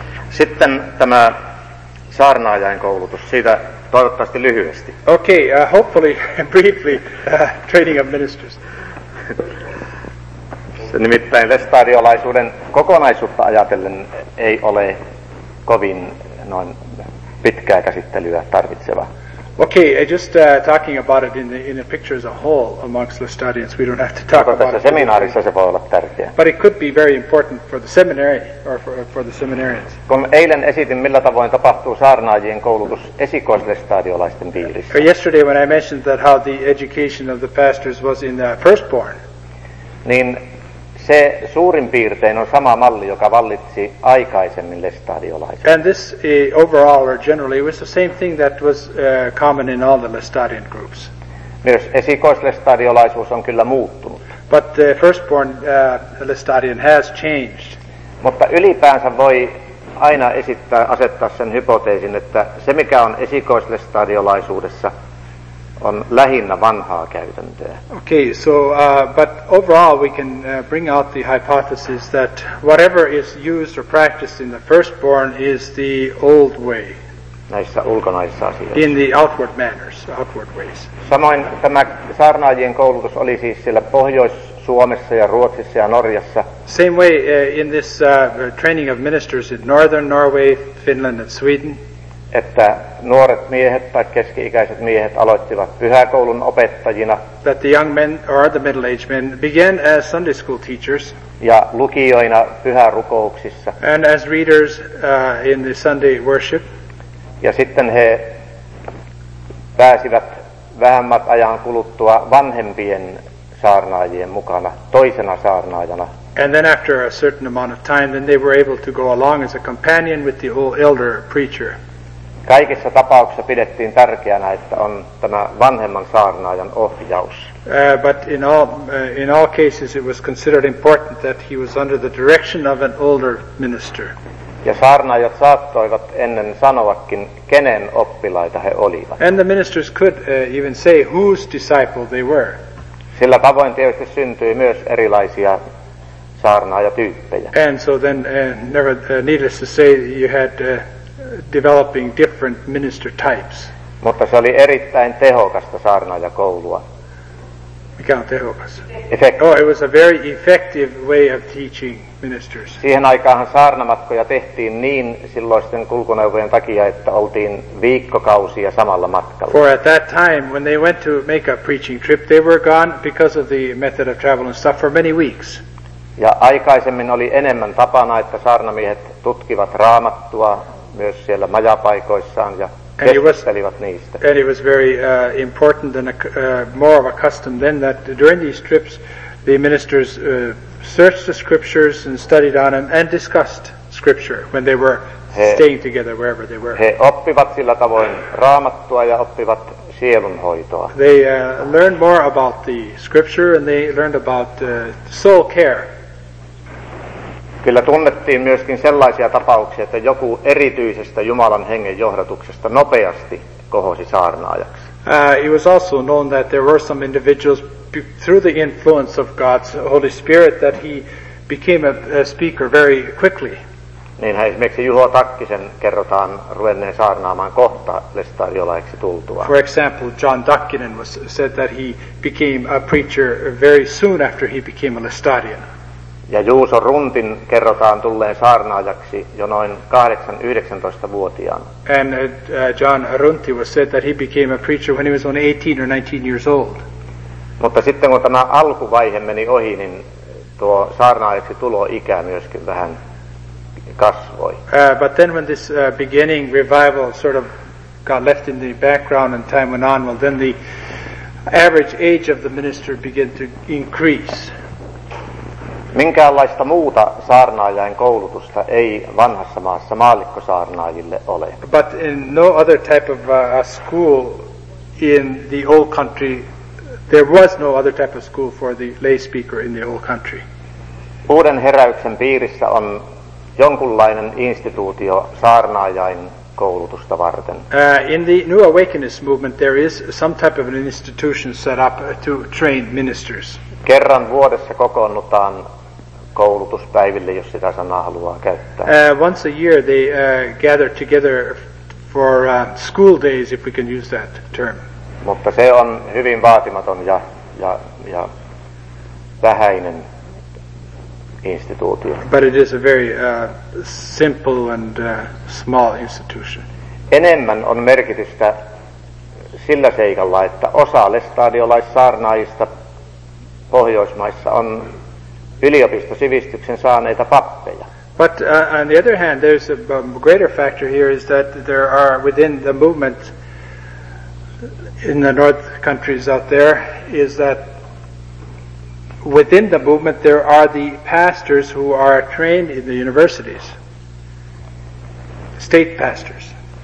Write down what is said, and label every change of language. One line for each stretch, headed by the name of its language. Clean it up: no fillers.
Finnish: Sitten tämä saarnaajain koulutus, siitä toivottavasti lyhyesti.
English: Okay, hopefully and briefly, training of ministers.
Finnish: Se nimittäin lestadiolaisuuden kokonaisuutta ajatellen ei ole kovin noin pitkää käsittelyä tarvitseva.
English: Okay, just talking about it in the picture as a whole amongst the lestadians, we don't have to talk about it.
Finnish: Mutta seminaarissa se voi olla tärkeä.
English: But it could be very important for the seminary or for the seminarians.
Finnish: Kun eilen esitin, millä tavoin tapahtuu saarnaajien koulutus esikoislestadiolaisten piirissä.
English: Yesterday when I mentioned that how the education of the pastors was in the firstborn.
Finnish: Niin se suurin piirtein on sama malli, joka vallitsi aikaisemmin lestadiolaisilla.
English: And this overall or generally was the same thing that was common in all the Lestadian groups.
Finnish: Myös esikoislestadiolaisuus on kyllä muuttunut.
English: But the firstborn Lestadian has changed.
Finnish: Mutta ylipäänsä voi aina esittää, asettaa sen hypoteesin, että se mikä on esikoislestadiolaisuudessa on lähinnä vanhaa käytäntöä.
English: Okay, so but overall we can bring out the hypothesis that whatever is used or practiced in the firstborn is the old way.
Finnish: Näissä ulkonaisissa asioissa.
English: In the outward manners, outward ways.
Finnish: Samoin tämä saarnaajien koulutus oli siis siellä Pohjois-Suomessa ja Ruotsissa ja Norjassa.
English: Same way in this training of ministers in northern Norway, Finland and Sweden.
Finnish: Että nuoret miehet tai keski-ikäiset miehet aloittivat pyhäkoulun opettajina.
English: That the young men or the middle-aged men began as Sunday school teachers.
Finnish: Ja lukijoina pyhärukouksissa.
English: And as readers in the Sunday worship.
Finnish: Ja sitten he pääsivät vähemmät ajan kuluttua vanhempien saarnaajien mukana toisena saarnaajana.
English: And then after a certain amount of time, then they were able to go along as a companion with the old elder preacher.
Finnish: Kaikissa tapauksissa pidettiin tärkeänä, että on tämä vanhemman saarnaajan ohjaus.
English: But in all cases it was considered important that he was under the direction of an older minister.
Finnish: Ja saarnaajat saattoivat ennen sanoakin, kenen oppilaita he olivat.
English: And the ministers could even say whose disciple they were.
Finnish: Sillä tavoin tietysti syntyi myös erilaisia saarnaajatyyppejä.
English: And so then, needless to say, you had developing different minister types.
Finnish: Mutta se oli erittäin tehokasta saarnaajakoulua. Mikä on tehokas?
English: Effective. Oh, it was a very effective way of teaching.
Finnish: Siihen aikaanhan saarnamatkoja tehtiin niin silloisten kulkuneuvojen takia, että oltiin viikkokausia samalla matkalla.
English: For at that time, when they went to make a preaching trip, they were gone because of the method of travel and stuff for many weeks.
Finnish: Ja aikaisemmin oli enemmän tapana, että saarnamiehet tutkivat raamattua myös siellä majapaikoissaan ja keskustelivat niistä.
English: And it was very important and more of a custom then that during these trips, the ministers searched the scriptures and studied on them and discussed scripture when they were staying together wherever they were.
Finnish: He oppivat sillä tavoin raamattua ja oppivat sielunhoitoa.
English: They learned more about the scripture and they learned about soul care.
Finnish: Kyllä tunnettiin myöskin sellaisia tapauksia, että joku erityisestä Jumalan hengen johdatuksesta nopeasti kohosi saarnaajaksi.
English: It was also known that there were some individuals through the influence of God's Holy Spirit that he became a speaker very quickly.
Finnish: Niinhän esimerkiksi Juho Takkisen kerrotaan ruvenneen saarnaamaan kohta lestadiolaiksi tultua.
English: For example, John Dakkinen was said that he became a preacher very soon after he became a Lestadian.
Finnish: Ja Juuso Runtin kerrotaan tulleen saarnaajaksi jo noin 18-19-vuotiaana.
English: And John Runti was said that he became a preacher when he was only 18 or 19 years old.
Finnish: Mutta sitten kun tämä alkuvaihe meni ohi, niin tuo saarnaajaksi tulo ikä myöskin vähän kasvoi.
English: But then when this beginning revival sort of got left in the background and time went on, well then the average age of the minister began to increase.
Finnish: Minkäänlaista muuta saarnaajien koulutusta ei vanhassa maassa maallikkosaarnaajille ole.
English: But in no other type of a school in the old country. There was no other type of school for the lay speaker in the old country.
Finnish: Uuden heräyksen piirissä on jonkunlainen instituutio saarnaajain koulutusta varten.
English: In the New Awakeness movement there is some type of an institution set up to train ministers.
Finnish: Kerran vuodessa kokoonnutaan koulutuspäiville, jos sitä sanaa haluaa käyttää.
English: Once a year they gather together for school days, if we can use that term.
Finnish: Mutta se on hyvin vaatimaton ja vähäinen instituutio.
English: But it is a very simple and small institution.
Finnish: Enemmän on merkitystä sillä seikalla, että osa lestadiolaissaarnaajista Pohjoismaissa on yliopistosivistyksen saaneita pappeja.
English: But on the other hand, there's a greater factor here is that there are within the movement in the north countries out there is that within the movement, there are the pastors who are trained in the universities, state pastors.